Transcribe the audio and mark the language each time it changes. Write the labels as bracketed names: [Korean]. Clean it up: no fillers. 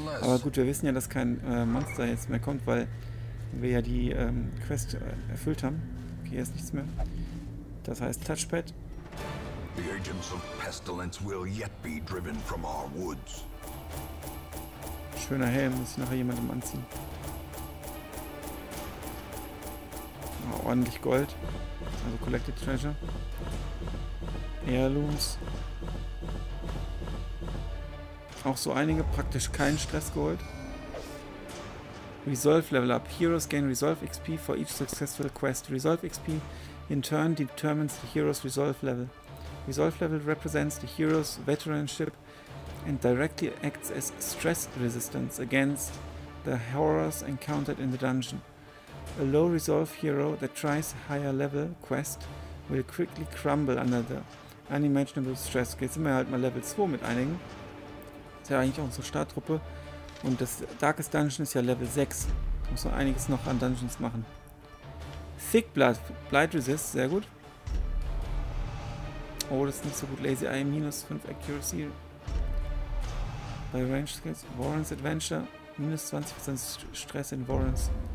[German] Aber gut, wir wissen ja, dass kein Monster jetzt mehr kommt, weil wir ja die Quest erfüllt haben. Okay, hier ist nichts mehr. Das heißt Touchpad. [English] The agents of pestilence will yet be driven from our woods. [German] Schöner Helm, muss ich nachher jemandem anziehen. Oh, ordentlich Gold. Also Collected Treasure. Heirlooms. Auch so einige, praktisch kein Stress geholt. Resolve Level Up. [English] Heroes gain Resolve XP for each successful quest. Resolve XP in turn determines the hero's Resolve Level. Resolve Level represents the hero's veteranship and directly acts as stress resistance against the horrors encountered in the dungeon. A low Resolve hero that tries a higher level quest will quickly crumble under the unimaginable stress. [German] Jetzt sind wir halt mal Level 2 mit einigen. Das ist ja eigentlich auch unsere Starttruppe. Und das Darkest Dungeon ist ja Level 6. Da muss man einiges noch an Dungeons machen. Thick Blood, Blight Resist, sehr gut. Oh, das ist nicht so gut. Lazy Eye, minus 5 Accuracy. Bei Range Skills, Warren's Adventure, minus 20% Stress in Warren's.